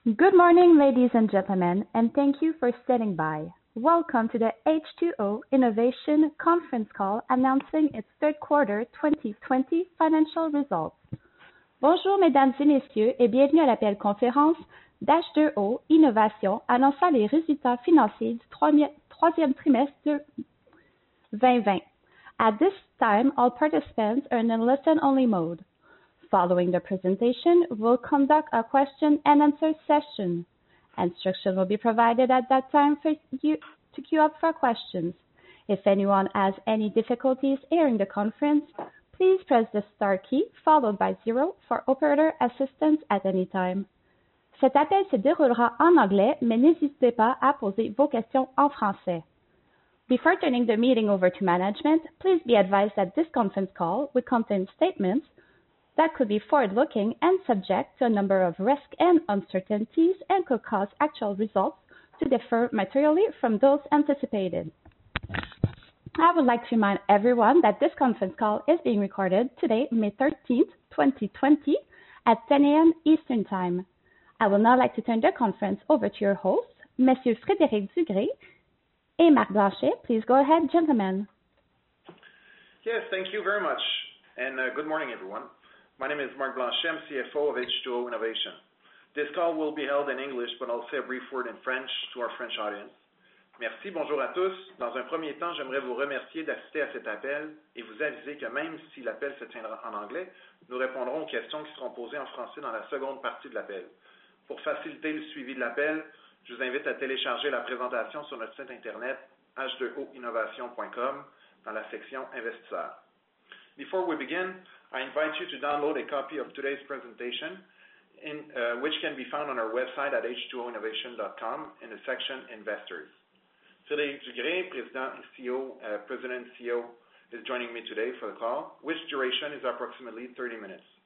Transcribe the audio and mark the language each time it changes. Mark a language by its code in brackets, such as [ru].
[en] Good morning, ladies and gentlemen, and thank you for standing by. Welcome to the H2O Innovation conference call announcing its third quarter 2020 financial results. [fr] Bonjour, mesdames et messieurs, et bienvenue à l'appel conférence d'H2O Innovation annonçant les résultats financiers du troisième trimestre 2020. [en] At this time, all participants are in a listen-only mode. Following the presentation, we'll conduct a question and answer session. Instructions will be provided at that time for you to queue up for questions. If anyone has any difficulties hearing the conference, please press the star key followed by zero for operator assistance at any time. [fr] Cet appel se déroulera en anglais, mais n'hésitez pas à poser vos questions en français. [en] Before turning the meeting over to management, please be advised that this conference call will contain statements that could be forward-looking and subject to a number of risks and uncertainties and could cause actual results to differ materially from those anticipated. I would like to remind everyone that this conference call is being recorded today, May 13th, 2020, at 10 a.m. Eastern Time. I would now like to turn the conference over to your hosts, Monsieur Frédéric Dugré and Marc Blanchet. Please go ahead, gentlemen. Yes, thank you very much, and good morning, everyone. My name is Marc Blanchet, I'm CFO of H2O Innovation. This call will be held in English, but I'll say a brief word in French to our French audience. [fr] Merci, bonjour à tous. Dans un premier temps, j'aimerais vous remercier d'assister à cet appel et vous aviser que même si l'appel se tiendra en anglais, nous répondrons aux questions qui seront posées en français dans la seconde partie de l'appel. Pour faciliter le suivi de l'appel, je vous invite à télécharger la présentation sur notre site internet h2oinnovation.com dans la section investisseurs. [en] Before we begin, I invite you to download a copy of today's presentation, which can be found on our website at h2oinnovation.com in the section Investors. Frédéric Dugré, President and CEO, is joining me today for the call, which duration is approximately 30 minutes.